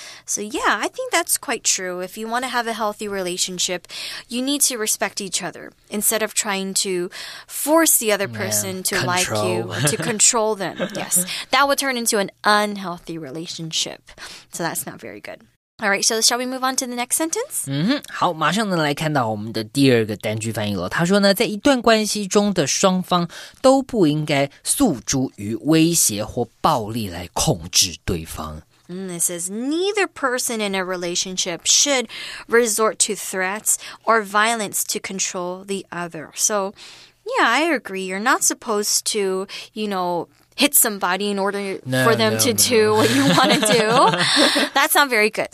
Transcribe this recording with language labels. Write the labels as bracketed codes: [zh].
[en] So yeah, I think that's quite true. If you want to have a healthy relationship, you need to respect each other instead of trying to force the other person to like you, to control them. Yes, that would turn into an unhealthy relationship. So that's not very good. All right, so shall we move on to the next sentence? [zh] 好，马上呢来看到我们的第二个单句翻译了。他说呢，在一段关系中的双方都不应该诉诸于威胁或暴力来控制对方。 [en] It says, neither person in a relationship should resort to threats or violence to control the other. So, yeah, I agree. You're not supposed to, you know... hit somebody in order for them to do what you want to do. That's not very good.